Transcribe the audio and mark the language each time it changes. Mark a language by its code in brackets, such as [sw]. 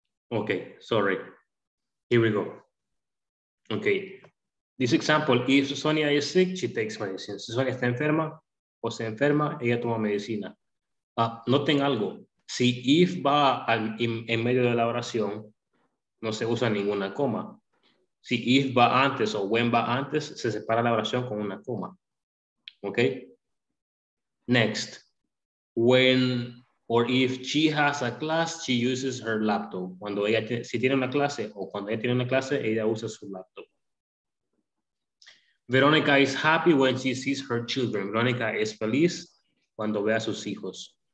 [en] Okay, sorry. Here we go. Okay. This example, if Sonia is sick, she takes medicine. [es] Si Sonia está enferma o se enferma, ella toma medicina. Noten algo. Si if va en medio de la oración, no se usa ninguna coma. Si if va antes o when va antes, se separa la oración con una coma. [en] Okay. Next. When or if she has a class, she uses her laptop. [es] Cuando ella si tiene una clase o cuando ella tiene una clase, ella usa su laptop. [en] Veronica is happy when she sees her children. [es] Veronica es feliz cuando ve a sus hijos.